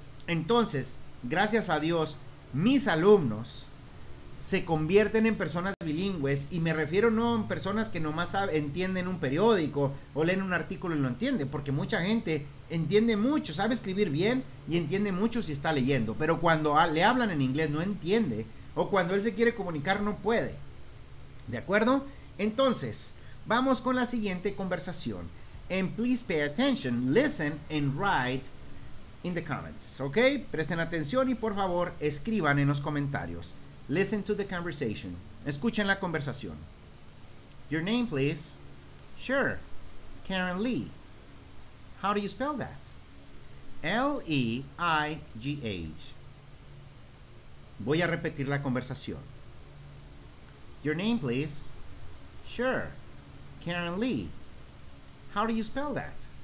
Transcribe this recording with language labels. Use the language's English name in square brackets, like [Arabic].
[Spanish] Entonces, gracias a Dios, mis alumnos se convierten en personas bilingües, y me refiero no a personas que nomás entienden un periódico o leen un artículo y lo entienden, porque mucha gente entiende mucho, sabe escribir bien y entiende mucho si está leyendo, pero cuando le hablan en inglés no entiende, o cuando él se quiere comunicar no puede. ¿De acuerdo? Entonces, vamos con la siguiente conversación. [English] And please pay attention, listen and write in the comments. ¿Ok? [Spanish] Presten atención y por favor escriban en los comentarios. [English] Listen to the conversation. [Spanish] Escuchen la conversación. [English] Your name, please. Sure. Karen Lee. How do you spell that? L-E-I-G-H. [Spanish] Voy a repetir la conversación. [English] Your name, please. Sure. Karen Lee. How do you spell that?